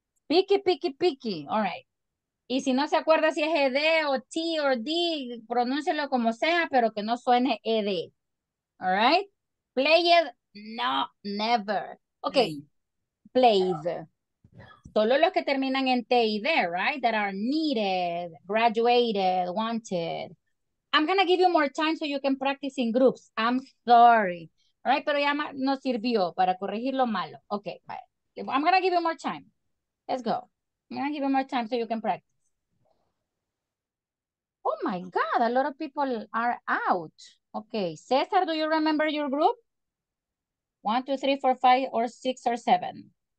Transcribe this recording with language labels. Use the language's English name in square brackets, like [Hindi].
[English] Picky, picky, picky, all right. [Spanish] Y si no se acuerda si es ED o T o D, pronúncelo como sea, pero que no suene ED, [English] all right? Played, no, never. Okay, played. [Spanish] Solo los que terminan en T y D, [English] right? That are needed, graduated, wanted. I'm going to give you more time so you can practice in groups. I'm sorry. All right, [Spanish] pero ya no sirvió para corregir lo malo. [English] Okay, bye. I'm going to give you more time. Let's go. I'm going to give you more time so you can practice. Oh my God, a lot of people are out. Okay, Cesar, do you remember your group? 1, 2, 3, 4, 5, or 6, or 7?